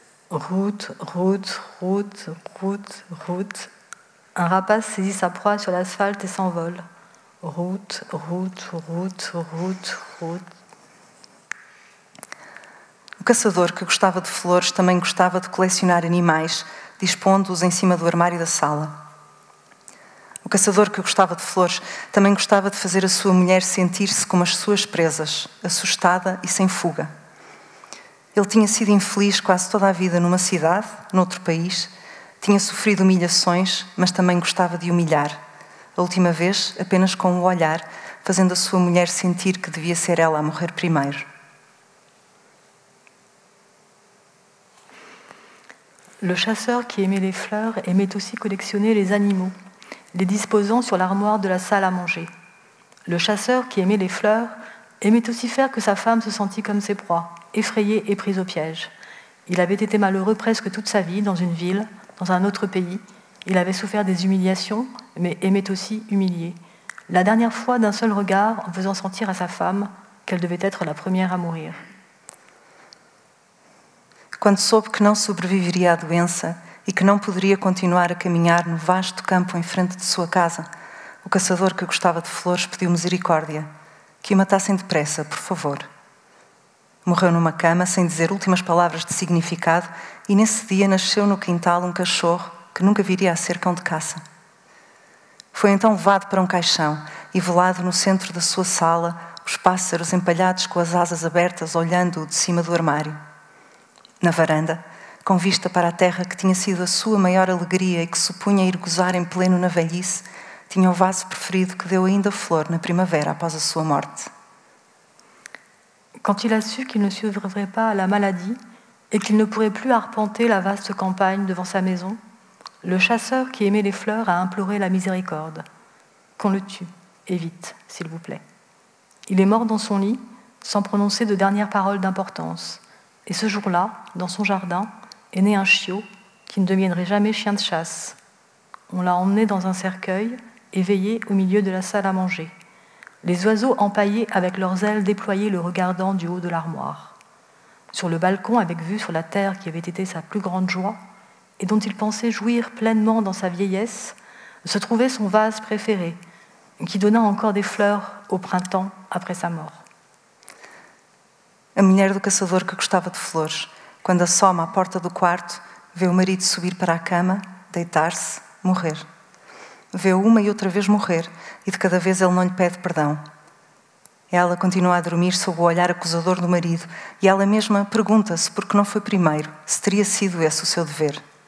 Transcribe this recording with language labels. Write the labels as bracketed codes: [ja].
[fr] Route, route, route, route, route. Un rapace saisit sa proie sur l'asphalte et s'envole. Route, route, route, route, route. [pt] O caçador que gostava de flores também gostava de colecionar animais, dispondo-os em cima do armário da sala. O caçador que gostava de flores também gostava de fazer a sua mulher sentir-se como as suas presas, assustada e sem fuga. Ele tinha sido infeliz quase toda a vida numa cidade, noutro país, tinha sofrido humilhações, mas também gostava de humilhar. A última vez, apenas com o olhar, fazendo a sua mulher sentir que devia ser ela a morrer primeiro. [fr] Le chasseur qui aimait les fleurs aimait aussi collectionner les animaux, les disposant sur l'armoire de la salle à manger. Le chasseur qui aimait les fleurs aimait aussi faire que sa femme se sentît comme ses proies, effrayée et prise au piège. Il avait été malheureux presque toute sa vie dans une ville, dans un autre pays. Il avait souffert des humiliations, mais aimait aussi humilier. La dernière fois, d'un seul regard, en faisant sentir à sa femme qu'elle devait être la première à mourir. [pt] Quando soube que não sobreviveria à doença e que não poderia continuar a caminhar no vasto campo em frente de sua casa, o caçador que gostava de flores pediu misericórdia. Que o matassem depressa, por favor. Morreu numa cama, sem dizer últimas palavras de significado, e nesse dia nasceu no quintal um cachorro que nunca viria a ser cão de caça. Foi então levado para um caixão e velado no centro da sua sala, os pássaros empalhados com as asas abertas olhando-o de cima do armário. Na varanda, com vista para a terra que tinha sido a sua maior alegria e que supunha ir gozar em pleno na velhice, tinha o vaso preferido que deu ainda flor na primavera após a sua morte. [fr] Quand il a su qu'il ne survivrait pas à la maladie et qu'il ne pourrait plus arpenter la vaste campagne devant sa maison, le chasseur qui aimait les fleurs a imploré la miséricorde. Qu'on le tue, et vite, s'il vous plaît. Il est mort dans son lit, sans prononcer de dernières paroles d'importance. Et ce jour-là, dans son jardin, est né un chiot qui ne deviendrait jamais chien de chasse. On l'a emmené dans un cercueil, éveillé au milieu de la salle à manger. Les oiseaux empaillés avec leurs ailes déployées le regardant du haut de l'armoire. Sur le balcon, avec vue sur la terre qui avait été sa plus grande joie et dont il pensait jouir pleinement dans sa vieillesse, se trouvait son vase préféré, qui donna encore des fleurs au printemps après sa mort. [pt] A mulher do caçador que gostava de flores, quando assoma à porta do quarto, vê o marido subir para a cama, deitar-se, morrer. Vê uma e outra vez morrer, e de cada vez ele não lhe pede perdão. Ela continua a dormir sob o olhar acusador do marido, e ela mesma pergunta-se por que não foi primeiro, se teria sido esse o seu dever.